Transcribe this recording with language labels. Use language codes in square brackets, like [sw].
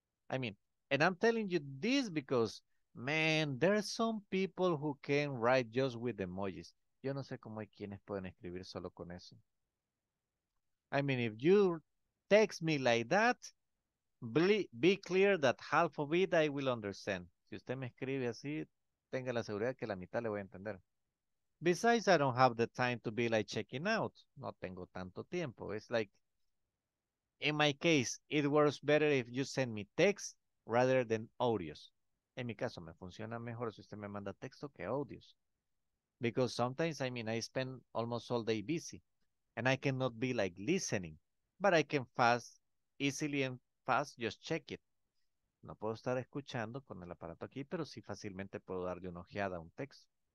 [en] I mean, and I'm telling you this because, man, there are some people who can write just with emojis. [es] Yo no sé cómo hay quienes pueden escribir solo con eso. [en] I mean, if you text me like that, be clear that half of it I will understand. [es] Si usted me escribe así, tenga la seguridad que la mitad le voy a entender. [en] Besides, I don't have the time to be like checking out. [es] No tengo tanto tiempo. [en] It's like, in my case, it works better if you send me text rather than audios. [es] En mi caso, me funciona mejor si usted me manda texto que audios. [en] Because sometimes, I mean, I spend almost all day busy. And I cannot be like listening. But I can easily and fast just check it. [es] No puedo estar escuchando con el aparato aquí, pero sí fácilmente puedo darle una ojeada a un texto.